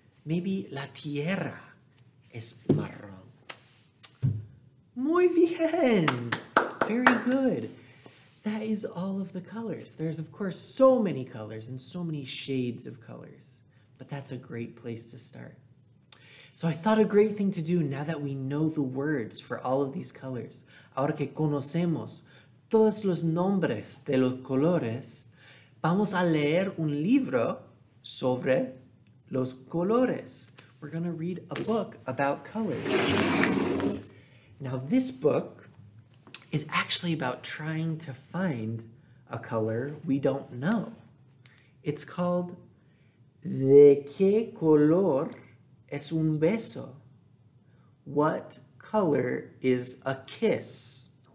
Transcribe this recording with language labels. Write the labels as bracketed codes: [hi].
[es] Maybe la tierra es marrón. Muy bien! [en] Very good. That is all of the colors. There's, of course, so many colors and so many shades of colors. But that's a great place to start. So I thought a great thing to do now that we know the words for all of these colors. [es] Ahora que conocemos todos los nombres de los colores, vamos a leer un libro sobre los colores. [en] We're gonna read a book about colors. Now this book is actually about trying to find a color we don't know. It's called ¿De qué color es un beso? What color is a kiss?